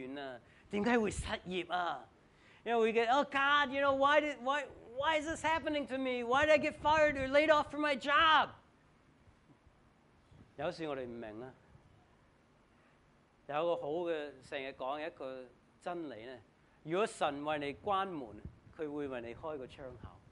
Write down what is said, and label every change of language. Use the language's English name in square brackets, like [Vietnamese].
[Cantonese] 我们都要学习。神啊，为什么你要这样的？为什么我会裁员啊？为什么会失业啊？ [English] You know, we get, oh God, you know, why is this happening to me? Why did I get fired or laid off from my job? [Cantonese] 有时我们不明啊。有一个好的，成日讲一个。真理呢，如果神为你关门，佢会为你开个窗口。